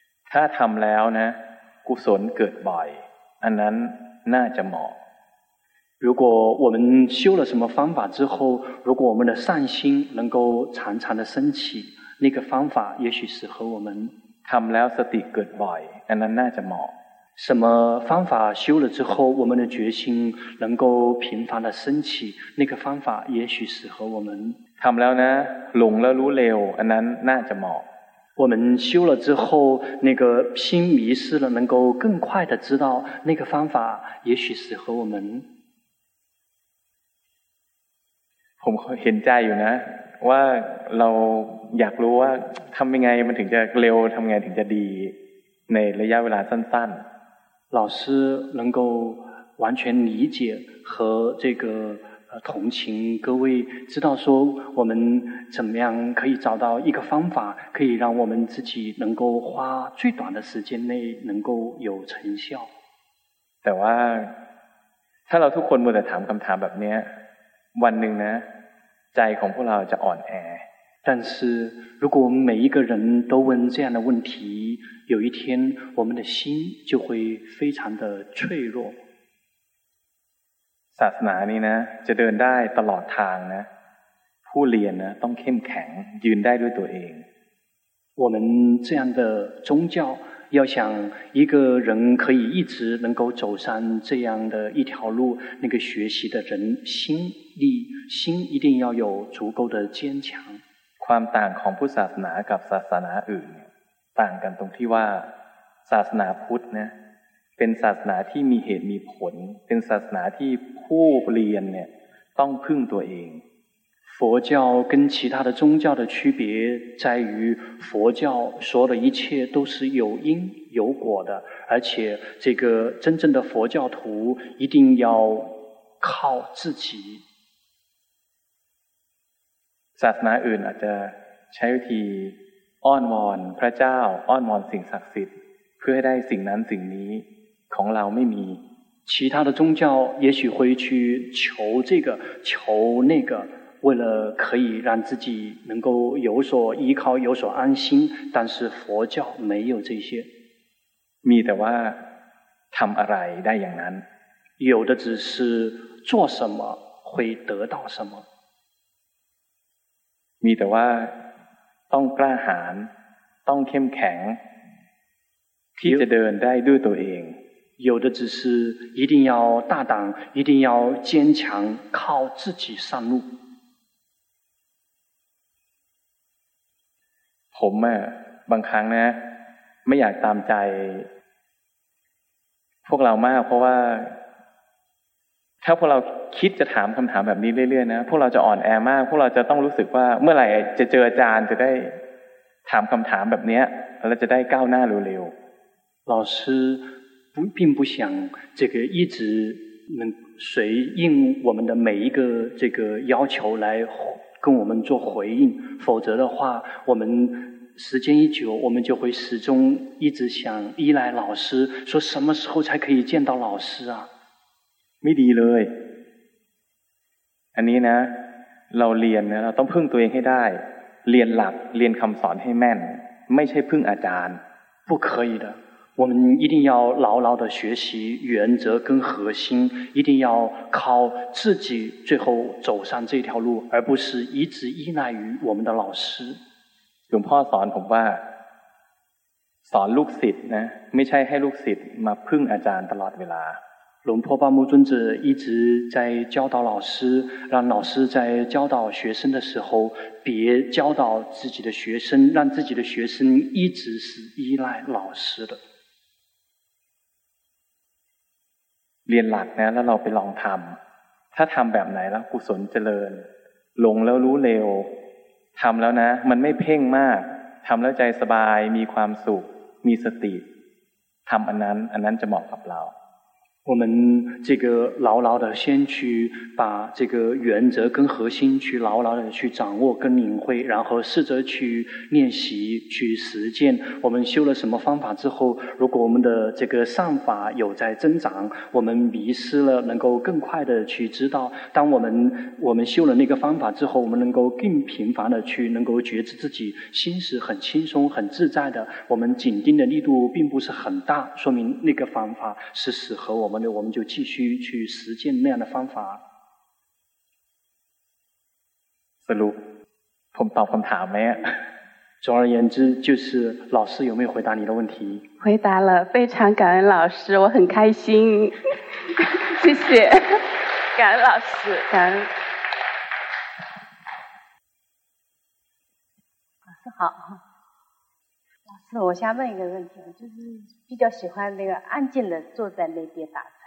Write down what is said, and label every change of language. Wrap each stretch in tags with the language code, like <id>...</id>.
<th>ถ้าทำแล้วนะกุศลเกิดบ่อยอันนั้นน่าจะเหมาะ</th> <zh>如果我们修了什么方法之后如果我们的善心能够常常的升起那个方法也许适合我们</zh> <th>ทำแล้วสติเกิดบ่อยอันนั้นน่าจะเหมาะ</th> <zh>什么方法修了之后我们的决心能够频繁的升起那个方法也许适合我们</zh> <th>ทำแล้วนะหลงแล้วรู้เร็วอันนั้นน่าจะเหมาะ</th> <zh>我们修了之后那个心迷失了能够更快的知道那个方法也许适合我们</zh> <th>ผมเห็นใจอยู่นะว่าเราอยากรู้ว่าทำยังไงมันถึงจะเร็วทำยังไงถึงจะดีในระยะเวลาสั้น</th> <zh>ๆ老师能够完全理解和这个同情各位知道说我们怎么样可以找到一个方法可以让我们自己能够花最短的时间内能够有成效</zh> <th>แต่ว่าถ้าเราทุกคนมัวแต่ถามคำถามแบบนี้วันหนึ่งนะใจของพวกเราจะอ่อนแ</th> <zh>อ但是如果我们每一个人都问这样的问题有一天我们的心就会非常的脆弱</zh> <th>ศาสนานี้นะจะเดินได้ตลอดทางนะผู้เรียนนะต้องเข้มแข็งยืนได้ด้วยตัวเอง</th> <zh>我们这样的宗教要想一个人可以一直能够走上这样的一条路那个学习的人心力心一定要有足够的坚强</zh> <th>ความต่างของพุทธศาสนากับศาสนาอื่นต่างกันตรงที่ว่าศาสนาพุทธนะเป็นศาสนาที่มีเหตุมีผลเป็นศาสนาที่ผู้เรียนเนี่ยต้องพึ่งตัวเอง</th> <zh>佛教跟其他的宗教的区别在于佛教说的一切都是有因有果的而且这个真正的佛教徒一定要靠自己</zh> <th>ศาสนาอื่นอาจจะใช้วิธีอ้อนวอนพระเจ้าอ้อนวอนสิ่งศักดิ์สิทธิ์เพื่อให้ได้สิ่งนั้นสิ่งนี้ของเราไม่มี</th> <zh>其他的宗教也许会去求这个求那个为了可以让自己能够有所依靠有所安心，但是佛教没有这些。</zh> <th>มีแต่ว่าทำอะไรได้อย่างนั้น</th> <zh>有的只是做什么会得到什么。</zh> <th>มีแต่ว่าต้องกล้าหาญต้องเข้มแข็งที่จะเดินได้ด้วยตัวเอง</th> <zh>有的只是一定要大胆一定要坚强靠自己上路</zh> <th>ผมบางครั้งนะไม่อยากตามใจพวกเรามากเพราะว่าถ้าพวกเราคิดจะถามคำถามแบบนี้เรื่อยๆนะพวกเราจะอ่อนแอมากพวกเราจะต้องรู้สึกว่าเมื่อไหร่จะเจออาจารย์จะได้ถามคำถามแบบนี้แล้วจะได้ก้าวหน้าเร็ว</th> <zh>ๆ老师并不想这个一直能随应我们的每一个这个要求来跟我们做回应，否则的话，我们时间一久，我们就会始终一直想依赖老师，说什么时候才可以见到老师啊？</zh> <th>ไม่ดีเลย อันนี้นะ เราเรียนนะ เราต้องพึ่งตัวเองให้ได้ เรียนหลัก เรียนคำสอนให้แม่น ไม่ใช่พึ่งอาจารย์</th> <zh>不可以的，我们一定要牢牢的学习原则跟核心，一定要靠自己最后走上这条路，而不是一直依赖于我们的老师。</zh> <th>หลวงพ่อสอนผมว่าสอนลูกศิษย์นะไม่ใช่ให้ลูกศิษย์มาพึ่งอาจารย์ตลอดเวลา</th> <zh>龙婆巴木尊者一直在教导老师，让老师在教导学生的时候，别教导自己的学生，让自己的学生一直是依赖老师的。</zh> <th>เรียนหลักนะแล้วเราไปลองทำถ้าทำแบบไหนแล้วกุศลเจริญลงแล้วรู้เร็วทำแล้วนะมันไม่เพ่งมากทำแล้วใจสบายมีความสุขมีสติทำอันนั้นจะเหมาะกับเรา</th> <zh>我们这个牢牢的先去把这个原则跟核心去牢牢的去掌握跟领会，然后试着去练习去实践。我们修了什么方法之后，如果我们的这个善法有在增长，我们迷失了，能够更快的去知道。当我们修了那个方法之后，我们能够更频繁的去能够觉知自己，心是很轻松很自在的。我们紧盯的力度并不是很大，说明那个方法是适合我们就继续去实践那样的方法。思路，</zh> <th>ผมตอบคำถามไหม？</th> <zh>总而言之，就是老师有没有回答你的问题？回答了，非常感恩老师，我很开心，谢谢，感恩老师，感恩。老师好，老师，我想问一个问题，就是比较喜欢那个安静的坐在那边打。</zh>